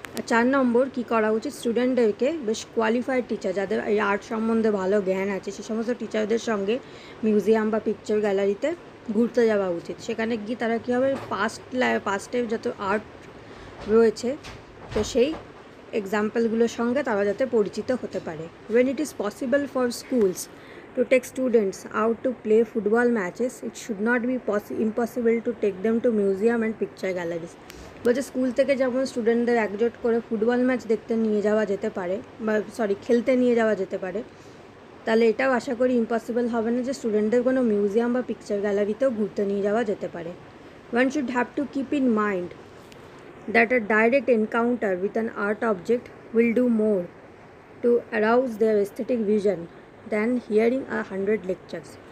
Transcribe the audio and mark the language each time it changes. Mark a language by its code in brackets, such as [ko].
[bn] চার নম্বর, কী করা উচিত, স্টুডেন্টদেরকে বেশ কোয়ালিফাইড টিচার যাদের এই আর্ট সম্বন্ধে ভালো জ্ঞান আছে সেই সমস্ত টিচারদের সঙ্গে মিউজিয়াম বা পিকচার গ্যালারিতে ঘুরতে যাওয়া উচিত। সেখানে গিয়ে তারা কী হবে, পাস্টের যত আর্ট রয়েছে তো সেই এক্সাম্পলগুলোর সঙ্গে তারা যাতে পরিচিত হতে পারে। [en] When it is possible for schools to take students out to play football matches, it should not be impossible to take them to museum and picture galleries. [bn] বলছে স্কুল থেকে যেমন স্টুডেন্টদের একজোট করে ফুটবল ম্যাচ দেখতে নিয়ে যাওয়া যেতে পারে বা সরি খেলতে নিয়ে যাওয়া যেতে পারে, তাহলে এটাও আশা করি ইম্পসিবল হবে না যে স্টুডেন্টদের কোনো মিউজিয়াম বা পিকচার গ্যালারিতেও ঘুরতে নিয়ে যাওয়া যেতে পারে। [en] One should have to keep in mind that a direct encounter with an art object will do more to arouse their aesthetic vision than hearing a 100 lectures.